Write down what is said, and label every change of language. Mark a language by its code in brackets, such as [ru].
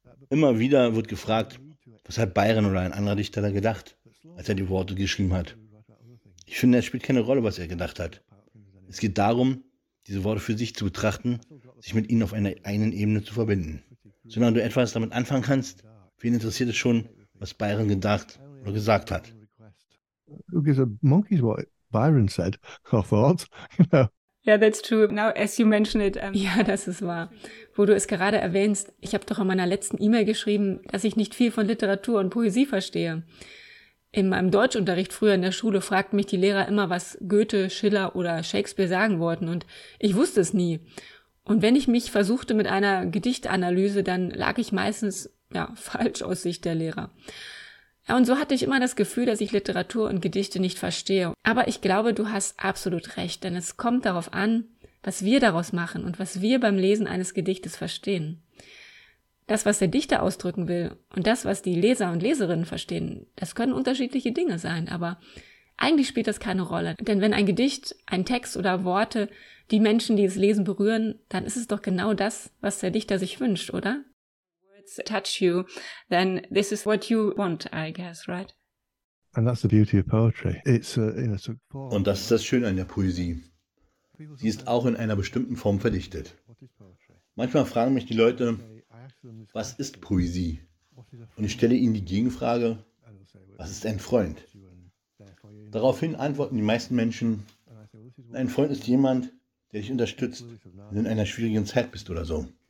[de] Immer wieder wird gefragt, was hat Byron oder ein anderer Dichter da gedacht, als er die Worte geschrieben hat. Ich finde, es spielt keine Rolle, was er gedacht hat. Es geht darum, diese Worte für sich zu betrachten, sich mit ihnen auf einer eigenen Ebene zu verbinden. Solange du etwas damit anfangen kannst, wen interessiert es schon, was Byron gedacht oder gesagt hat. [en] Who gives a monkey's what Byron said or thought? Yeah, that's true. Now, as you mentioned it. [de] Ja, das ist wahr. Wo du es gerade erwähnst, ich habe doch in meiner letzten E-Mail geschrieben, dass ich nicht viel von Literatur und Poesie verstehe. In meinem Deutschunterricht früher in der Schule fragten mich die Lehrer immer, was Goethe, Schiller oder Shakespeare sagen wollten. Und ich wusste es nie. Und wenn ich mich versuchte mit einer Gedichtanalyse, dann lag ich meistens falsch aus Sicht der Lehrer. Ja, und so hatte ich immer das Gefühl, dass ich Literatur und Gedichte nicht verstehe. Aber ich glaube, du hast absolut recht, denn es kommt darauf an, was wir daraus machen und was wir beim Lesen eines Gedichtes verstehen. Das, was der Dichter ausdrücken will und das, was die Leser und Leserinnen verstehen, das können unterschiedliche Dinge sein, aber eigentlich spielt das keine Rolle. Denn wenn ein Gedicht, ein Text oder Worte die Menschen, die es lesen, berühren, dann ist es doch genau das, was der Dichter sich wünscht, oder? [en] Words touch you, then this is what you want, I guess, right? And that's the beauty of poetry. It's in a [de] Und das ist das Schöne an der Poesie. Sie ist auch in einer bestimmten Form verdichtet. Manchmal fragen mich die Leute, was ist Poesie? Und ich stelle ihnen die Gegenfrage, was ist ein Freund? Daraufhin antworten die meisten Menschen, ein Freund ist jemand, der dich unterstützt, wenn du in einer schwierigen Zeit bist oder so.